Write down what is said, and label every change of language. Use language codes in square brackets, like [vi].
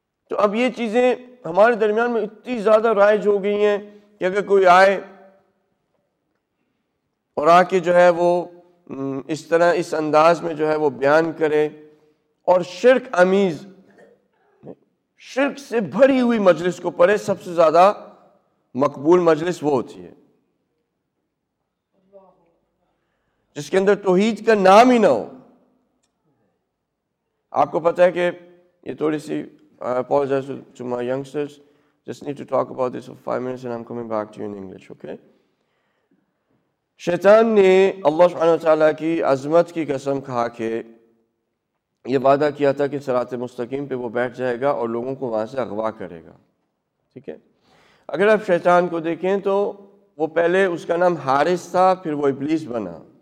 [ur] تو اب یہ چیزیں ہمارے درمیان میں اتنی زیادہ رائج ہو گئی ہیں کہ اگر کوئی آئے اور آ کے جو ہے وہ اس طرح اس انداز میں جو ہے وہ بیان کرے, اور شرک آمیز, شرک سے بھری ہوئی مجلس کو پڑھے, سب سے زیادہ مقبول مجلس وہ ہوتی ہے جس کے اندر توحید کا نام ہی نہ ہو. آپ کو پتا ہے کہ یہ تھوڑی سی, [en] I apologize to my youngsters, just need to talk about this for 5 minutes and I'm coming back to you in English, okay? [ur] شیطان نے اللہ سبحانہ وتعالی کی عظمت کی قسم کھا کے یہ وعدہ کیا تھا کہ صراط مستقیم پہ وہ بیٹھ جائے گا اور لوگوں کو وہاں سے اغوا کرے گا. ٹھیک ہے, اگر آپ شیطان کو دیکھیں تو وہ پہلے, اس کا نام حارث تھا, پھر وہ ابلیس بنا.